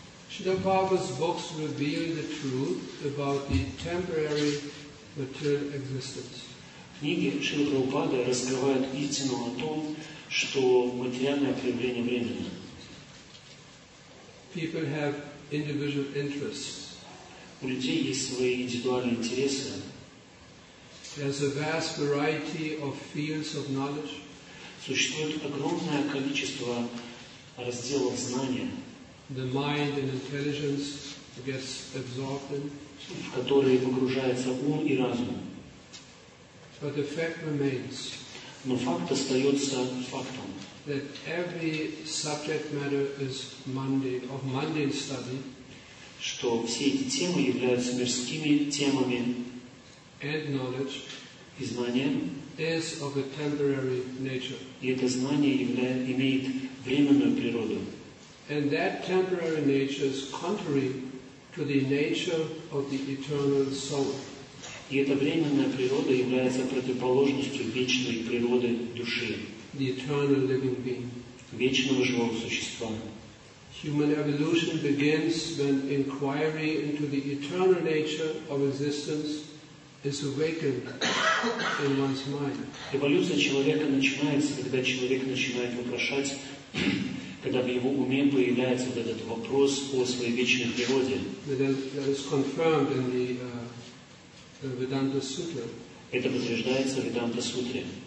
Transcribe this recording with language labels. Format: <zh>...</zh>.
<en>Śrīla Prabhupāda's books reveal the truth about the temporary material existence.</en> <ru>Книги Шрилы Прабхупады раскрывают истину о том, что материальное проявление временно.</ru> <en>People have individual interests.</en> <ru>У людей есть свои индивидуальные интересы.</ru> <en>There's a vast variety of fields of knowledge.</en> <ru>Существует огромное количество разделов знания.</ru> <en>The mind and intelligence gets absorbed in.</en> <ru>В которые погружается ум и разум.</ru> <en>But the fact remains.</en> <ru>Но факт остается фактом.</ru> <en>That every subject matter is mundane, of mundane study.</en> <ru>Что все эти темы являются мирскими темами.</ru> <en>And knowledge.</en> <ru>И знание.</ru> <en>Is of a temporary nature.</en> <ru>И это знание имеет временную природу.</ru> <en>And that temporary nature is contrary to the nature of the eternal soul.</en> <ru>И эта временная природа является противоположностью вечной природы души.</ru> <en>The eternal living being.</en> <ru>Вечного живого существа.</ru> <en>Human evolution begins when inquiry into the eternal nature of existence is awakened in one's mind.</en> <ru>Эволюция человека начинается, когда человек начинает вопрошать, когда в его уме появляется вот этот вопрос о своей вечной природе.</ru> <en>That is confirmed in the Vedanta Sutra.</en> <ru>Это подтверждается в Веданта Сутре.</ru>